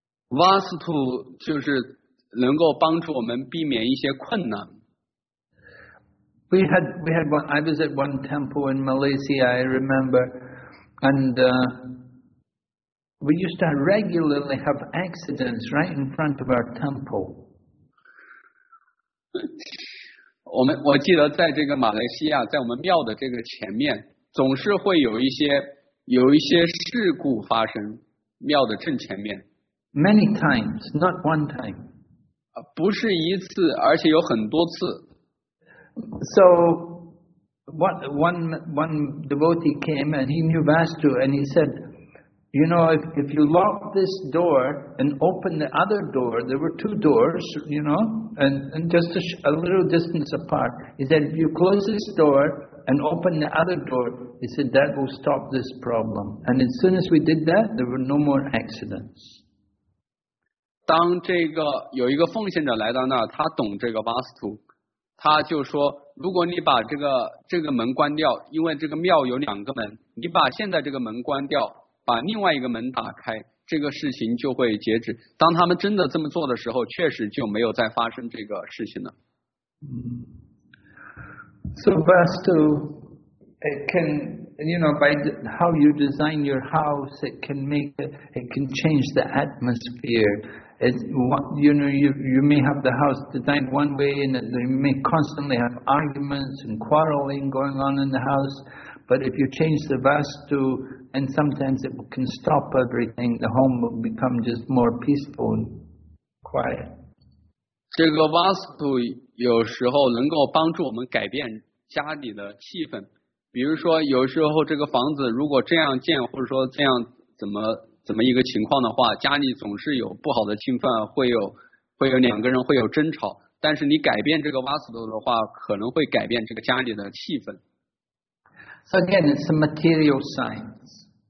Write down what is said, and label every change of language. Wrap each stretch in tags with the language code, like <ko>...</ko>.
<zh>Vastu 就是能够帮助我们避免一些困难。</zh> <en>We had one. I was at one temple in Malaysia. I remember, and we used to regularly have accidents right in front of our temple. 我记得在这个马来西亚，在我们庙的这个前面，总是会有一些事故发生，庙的正前面。 Many times, not one time. 不是一次，而且有很多次。 So, one devotee came and he knew Vastu and he said, You know, if you lock this door and open the other door, there were two doors, you know, and just a little distance apart. He said, if you close this door and open the other door, he said, that will stop this problem. And as soon as we did that, there were no more accidents.</en> <zh>当这个有一个奉献者来到那儿，他懂这个巴斯图，他就说，如果你把这个门关掉，因为这个庙有两个门，你把现在这个门关掉，把另外一个门打开，这个事情就会截止。当他们真的这么做的时候，确实就没有再发生这个事情了。</zh> <en>So Vastu, it can, you know, by how you design your house, it can make it can change the atmosphere. It's what, you know, you may have the house designed one way, and they may constantly have arguments and quarreling going on in the house. But if you change the Vastu,And sometimes it can stop everything. The home will become just more peaceful and quiet.</en> <zh>这个 vastu 有时候能够帮助我们改变家里的气氛。比如说，有时候这个房子如果这样建，或者说这样怎么一个情况的话，家里总是有不好的气氛，会有两个人会有争吵。但是你改变这个 vastu 的话，可能会改变这个家里的气氛。</zh> <en>So again, it's a material science.</en>